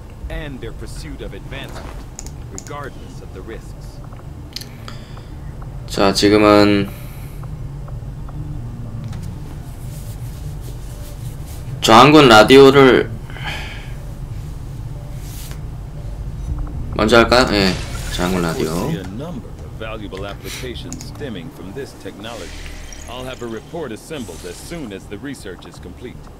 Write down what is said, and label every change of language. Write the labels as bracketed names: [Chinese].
[English] And their pursuit of advancement, regardless of the risks. [Korean] 자, 지금은 저항군 라디오를 먼저 할까? 예, 저항군 라디오. [English] A number of valuable applications stemming from this technology. I'll have a report assembled as soon as the research is complete.